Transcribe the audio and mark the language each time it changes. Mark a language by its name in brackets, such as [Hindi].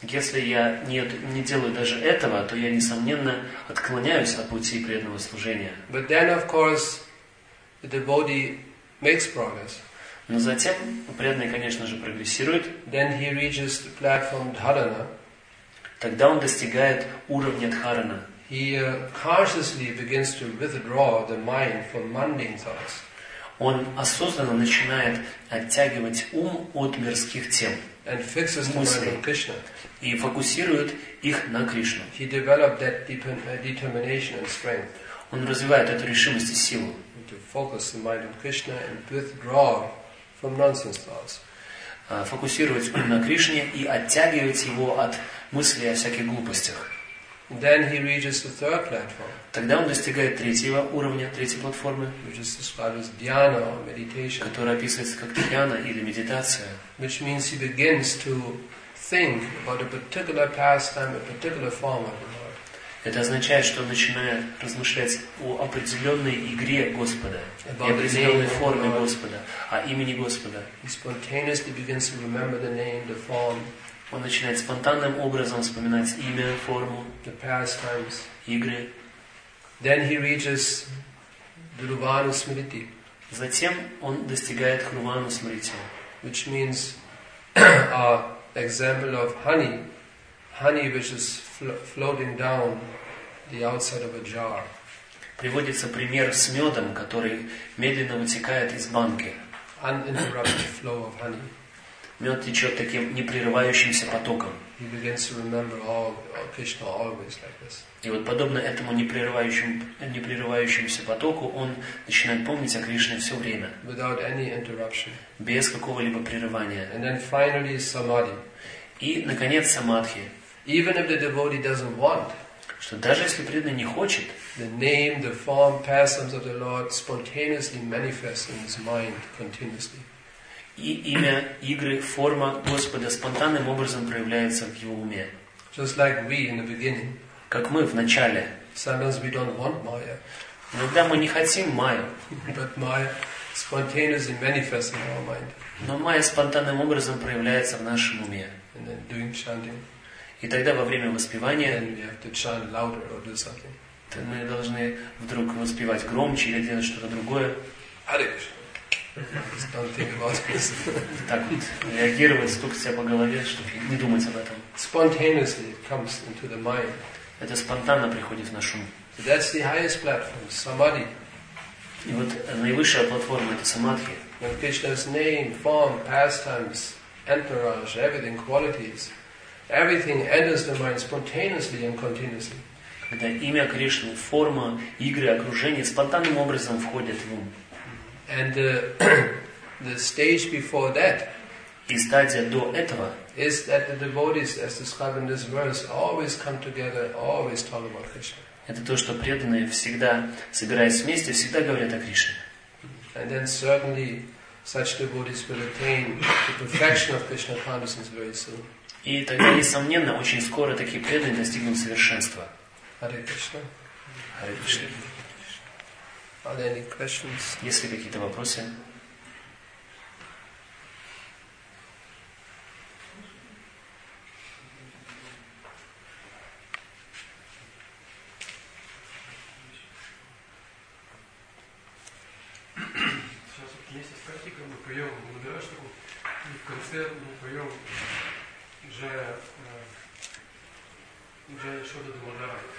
[Russian] Если я не делаю даже этого, то я несомненно отклоняюсь от пути преданного служения. [English] But then, of course, the devotee makes progress. [Russian] Но затем преданный, конечно же, прогрессирует. [English] Then he reaches the platform dharana. [Russian] Тогда он достигает уровня дхарана. [English] He consciously begins to withdraw the mind from mundane thoughts. [Russian] Он осознанно начинает оттягивать ум от мирских тем. [English] And fixes the mind on Krishna. [Russian] И фокусирует их на Кришну. [English] He developed that determination and strength. [Russian] Он развивает эту решимость и силу. [English] To focus the mind on Krishna and withdraw from nonsense thoughts. [Russian] Фокусировать ум на Кришне и оттягивать его от мыслей о всяких глупостях. [English] Then he reaches the third platform. [Russian] Тогда он достигает третьего уровня, третьей платформы, [English] which is described as dhyana or meditation, [Russian] которая описывается как дхьяна или медитация, [English] which means he begins to think about a particular pastime, a particular form of the Lord. [Russian] Это означает, что он начинает размышлять о определенной игре Господа, [English] about [Russian] определенной форме Господа, о имени Господа. [English] He spontaneously begins to remember the name, the form. [Russian] Он начинает спонтанным образом вспоминать имя, форму, [English] the pastimes, [Russian] игры. [English] Then he reaches Dhruvanu Smriti. [Russian] Затем он достигает Хрувану Смрити. [English] Which means a example of honey. Honey which is floating down the outside of a jar. [Russian] Приводится пример с медом, который медленно вытекает из банки. [English] Uninterrupted flow of honey. [Russian] Мед течет таким непрерывающимся потоком. [English] He begins to remember all Krishna always like this. [Russian] И вот подобно этому непрерывающемуся потоку, он начинает помнить о Кришне все время. [English] Without any interruption. [Russian] Без какого-либо прерывания. [English] And then finally samadhi. [Russian] И наконец самадхи. [English] Even if the devotee doesn't want. [Russian] Что даже если преданный не хочет, [English] the name, the form, pastimes of the Lord spontaneously manifests in his mind continuously. [Russian] И имя, игры, форма Господа спонтанным образом проявляется в его уме. [English] Just like we in the beginning. [Russian] Как мы в начале. [English] Sometimes we don't want Maya. [Russian] Иногда мы не хотим Майю. [English] But Maya spontaneously manifests in our mind. [Russian] Но Майя спонтанным образом проявляется в нашем уме. [English] And then doing chanting. [Russian] И тогда во время воспевания. [English] Then we have to chant louder or do something. [Russian] То мы должны вдруг воспевать громче или делать что-то другое. Так вот, реагировать, стукать себя по голове, чтобы не думать об этом. [English] Spontaneously it comes into the mind. [Russian] Это спонтанно приходит в наш ум. [English] That's the highest platform, samadhi. [Russian] И вот наивысшая платформа это самадхи. [English] When Krishna's name, form, pastimes, entourage, everything, qualities, everything enters the mind spontaneously and continuously. [Russian] Когда имя Кришны, форма, игры, окружение спонтанным образом входят в ум. [English] And the stage before that, [Russian] и стадия до этого, [English] is that the devotees, as described in this verse, always come together, always talk about Krishna. [Russian] Это то, что преданные всегда собираясь вместе, всегда говорят о Кришне. [English] And then certainly such devotees will attain the perfection of Krishna consciousness very soon. [Russian] И тогда, несомненно, очень скоро такие преданные достигнут совершенства. [English] Hare Krishna. [Russian] Hare Krishna. [English] Are there any questions? [Russian] Есть ли какие-то вопросы? Сейчас вот вместе с практикой мы поем мудраштику, и в конце мы поем джая шода дамодара.